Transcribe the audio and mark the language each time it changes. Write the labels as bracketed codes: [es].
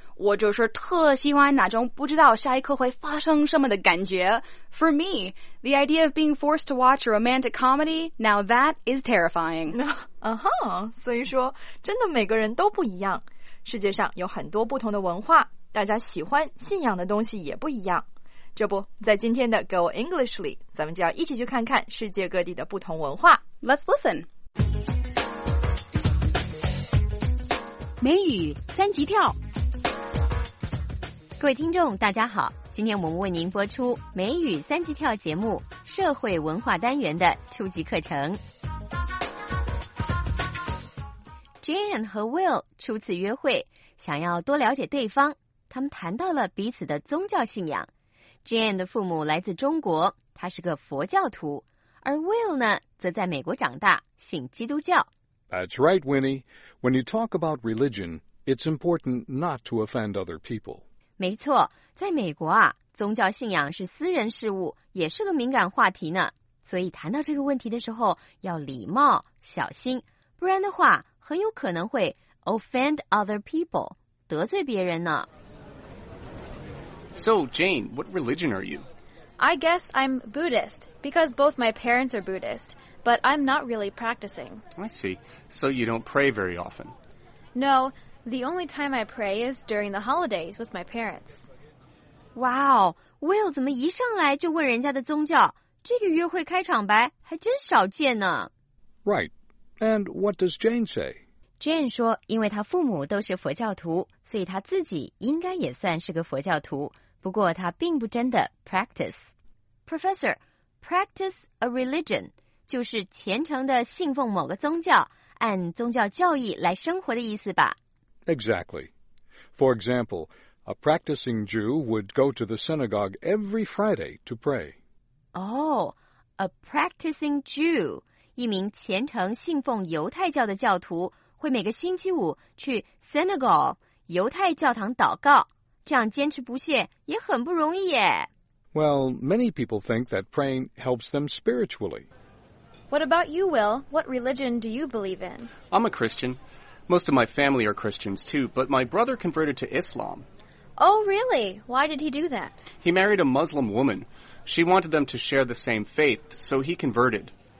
[zh] 我就是特喜欢那种不知道下一刻会发生什么的感觉。 [en] For me, the idea of being forced to watch a romantic comedy, now that is terrifying. [zh] Uh-huh, 所以说真的每个人都不一样。世界上有很多不同的文化，大家喜欢信仰的东西也不一样。这不，在今天的 Go English 里，咱们就要一起去看看世界各地的不同文化。 [en] Let's listen. [zh] 美语三级跳。各位听众大家好，今天我们为您播出美语三级跳节目社会文化单元的初级课程。 Jane 和 Will 初次约会，想要多了解对方，他们谈到了彼此的宗教信仰。 Jane 的父母来自中国，他是个佛教徒，而 Will 呢，则在美国长大，信基督教。 [en] That's right, Winnie. When you talk about religion, it's important not to offend other people. [zh] 没错，在美国啊，宗教信仰是私人事物，也是个敏感话题呢。所以谈到这个问题的时候，要礼貌，小心，不然的话很有可能会 [en] offend other people, [zh] 得罪别人呢。 [en] So, Jane, what religion are you? I guess I'm Buddhist, because both my parents are Buddhist, but I'm not really practicing. I see. So you don't pray very often? No, the only time I pray is during the holidays with my parents. [zh] Wow, Will 怎么一上来就问人家的宗教？这个约会开场白还真少见呢。 [en] Right. And what does Jane say? [zh] Jane 说因为她父母都是佛教徒，所以她自己应该也算是个佛教徒，不过她并不真的 practice. Professor, [en] practice a religion [zh] 就是虔诚地信奉某个宗教，按宗教教义来生活的意思吧。 [en] Exactly. For example, a practicing Jew would go to the synagogue every Friday to pray. Oh, a practicing Jew... [zh] 一名虔诚信奉犹太教的教徒会每个星期五去 synagogue 犹太教堂祷告，这样坚持不懈也很不容易耶。 [en] Well, many people think that praying helps them spiritually. What about you, Will? What religion do you believe in? I'm a Christian. Most of my family are Christians too, but my brother converted to Islam. Oh, really? Why did he do that? He married a Muslim woman. She wanted them to share the same faith, so he converted.